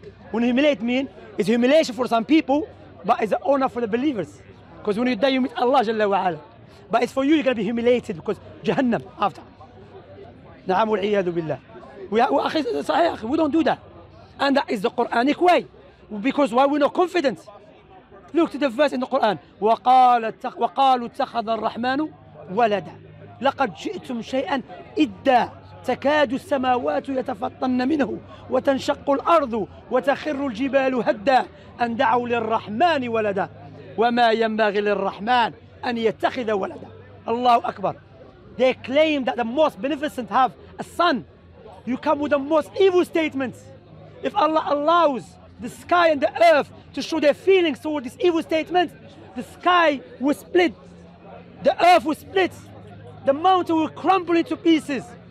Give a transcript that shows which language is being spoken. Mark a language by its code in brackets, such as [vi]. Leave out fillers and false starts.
[en] When humiliate mean, it's humiliation for some people, but it's an honor for the believers. Because when you die, you meet Allah Jalla wa Ala. But it's for you, you're going to be humiliated because Jahannam after. [ar] Na'am wal'iyadu billah. [en] We don't do that. And that is the Quranic way. Because why we're not confident? Look to the verse in the Quran. [ar] وَقَالُوا اتَّخَذَ الرَّحْمَنُ ولدا لقد جئتم شيئا إدا تكاد السماوات يتفطن منه وتنشق الأرض وتخر الجبال هدا أن دعوا للرحمن ولدا وما ينبغي للرحمن أن يتخذ ولدا. الله أكبر. [en] They claim that the most beneficent have a son. You come with the most evil statements. If Allah allows the sky and the earth to show their feelings toward this evil statement, the sky will split, the earth will split, the mountain will crumble into pieces.